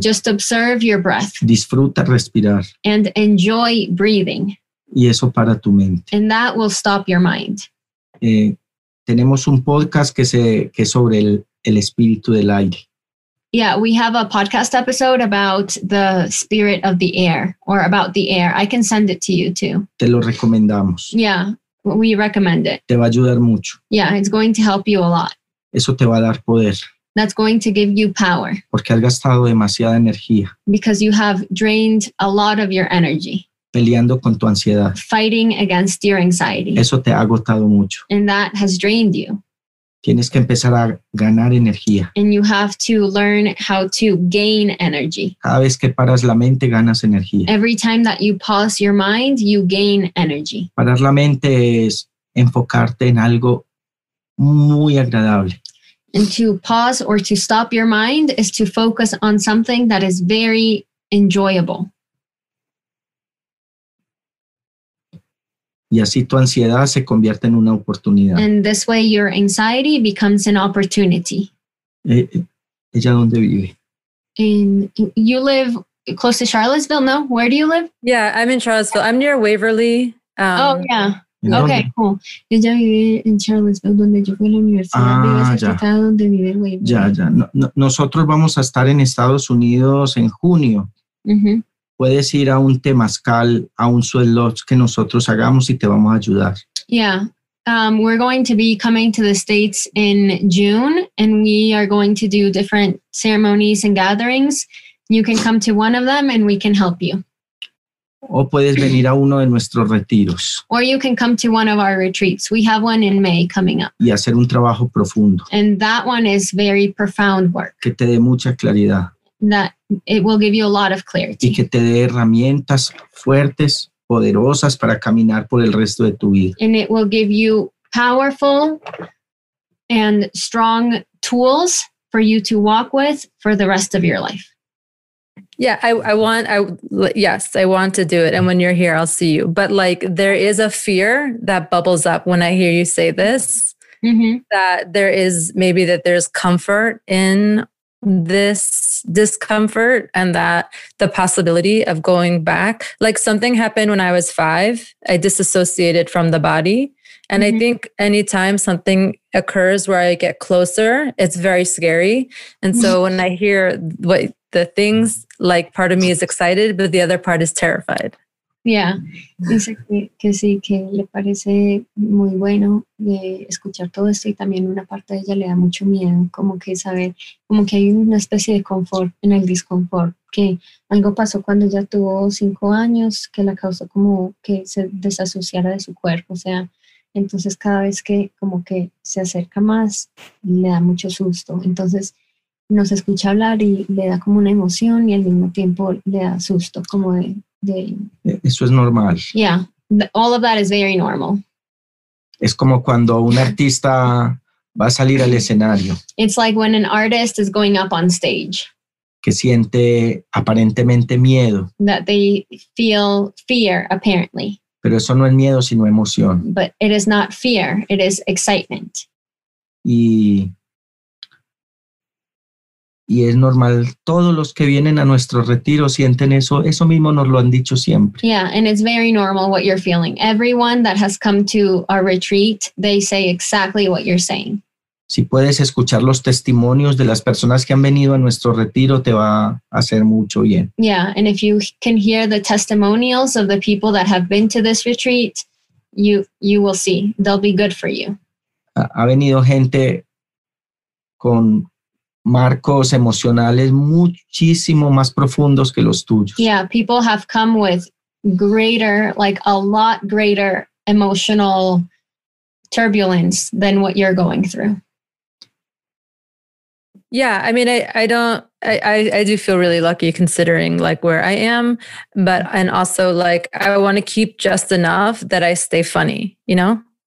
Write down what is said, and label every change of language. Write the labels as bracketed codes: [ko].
[en] Just observe your breath. [es] Disfruta respirar. [en] And enjoy breathing. [es] Y eso para tu mente. [en] And that will stop your mind. [es] Tenemos un podcast que es sobre el espíritu del aire. [en] Yeah, we have a podcast episode about the spirit of the air or about the air. I can send it to you too. [es] Te lo recomendamos. [en] Yeah, we recommend it. [es] Te va a ayudar mucho. [en] Yeah, it's going to help you a lot. [es] Eso te va a dar poder. [en] That's going to give you power. [es] Porque has gastado demasiada energía. [en] Because you have drained a lot of your energy. [es] Peleando con tu ansiedad. [en] Fighting against your anxiety. [es] Eso te ha agotado mucho. [en] And that has drained you. [es] Tienes que empezar a ganar energía. [en] And you have to learn how to gain energy. [es] Cada vez que paras la mente, ganas energía. [en] Every time that you pause your mind, you gain energy. [es] Parar la mente es enfocarte en algo muy agradable. [en] And to pause or to stop your mind is to focus on something that is very enjoyable. [es] Y así tu ansiedad se convierte en una oportunidad. [en] And this way your anxiety becomes an opportunity. [es] ¿Ella dónde vive? [en] And you live close to Charlottesville, no? Where do you live? Yeah, I'm in Charlottesville. I'm near Waverly. Okay, cool. [es] Ella vive en Charlottesville, donde yo fui a la universidad. Ah, ya. Donde vive Waverly. Ya. No, nosotros vamos a estar en Estados Unidos en junio. Mm-hmm. Puedes ir a un temazcal, a un [en] sweat lodge [es] que nosotros hagamos y te vamos a ayudar. [en] Yeah, we're going to be coming to the States in June and we are going to do different ceremonies and gatherings. You can come to one of them and we can help you. [es] O puedes venir a uno de nuestros retiros. [en] Or you can come to one of our retreats. We have one in May coming up. [es] Y hacer un trabajo profundo. [en] And that one is very profound work. [es] Que te dé mucha claridad. [en] That it will give you a lot of clarity. [es] Y que te dé herramientas fuertes, poderosas para caminar por el resto de tu vida. [en] And it will give you powerful and strong tools for you to walk with for the rest of your life. Yeah, I want to do it. And when you're here, I'll see you. But like, there is a fear that bubbles up when I hear you say this, mm-hmm. that there is maybe that there's comfort in this discomfort and that the possibility of going back. Like something happened when I was 5, I disassociated from the body. And mm-hmm. I think anytime something occurs where I get closer, it's very scary. And so when I hear what the things, like part of me is excited, but the other part is terrified. Yeah. [es] Dice que sí, que le parece muy bueno de escuchar todo esto y también una parte de ella le da mucho miedo, como que saber, como que hay una especie de confort en el disconfort, que algo pasó cuando ella tuvo 5 años que la causó como que se desasociara de su cuerpo, o sea, entonces cada vez que como que se acerca más le da mucho susto, entonces nos escucha hablar y le da como una emoción y al mismo tiempo le da susto, como de... Eso es normal. [en] Yeah, all of that is very normal. [es] Es como cuando un artista va a salir al escenario. [en] It's like when an artist is going up on stage. [es] Que siente aparentemente miedo. [en] That they feel fear, apparently. [es] Pero eso no es miedo, sino emoción. [en] But it is not fear, it is excitement. [es] Y es normal, todos los que vienen a nuestro retiro sienten eso, eso mismo nos lo han dicho siempre. [en] Yeah, and it's very normal what you're feeling. Everyone that has come to our retreat, they say exactly what you're saying. [es] Si puedes escuchar los testimonios de las personas que han venido a nuestro retiro, te va a hacer mucho bien. [en] Yeah, and if you can hear the testimonials of the people that have been to this retreat, you will see, they'll be good for you. [es] Ha venido gente con marcos emocionales muchísimo más profundos que los tuyos. [en] Yeah, people have come with greater, like a lot greater emotional turbulence than what you're going through. Yeah, I mean, I do feel really lucky considering like where I am, but, and also like, I want to keep just enough that I stay funny, you know?